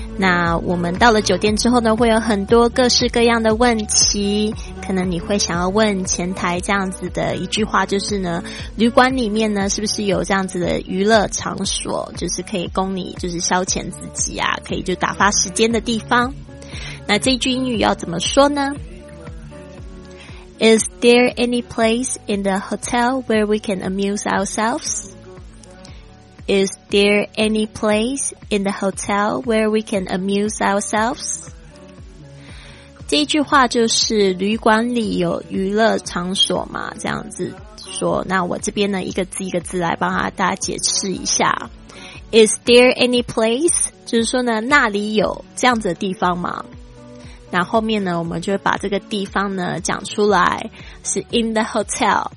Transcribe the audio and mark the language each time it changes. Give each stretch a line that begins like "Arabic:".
Chinese: 那我们到了酒店之后呢，会有很多各式各样的问题，可能你会想要问前台这样子的一句话，就是呢，旅馆里面呢是不是有这样子的娱乐场所，就是可以供你就是消遣自己啊，可以就打发时间的地方。那这句英语要怎么说呢？
English: Is there any place in the hotel where we can amuse ourselves? Is there any place in the hotel where we can amuse ourselves?
Chinese: 这一句话就是旅馆里有娱乐场所嘛，这样子说。那我这边呢，一个字一个字来帮大家解释一下。
English: Is there any place?
Chinese: 就是说呢，那里有这样子的地方吗？那后面呢，我们就会把这个地方呢讲出来，是
English: in the hotel.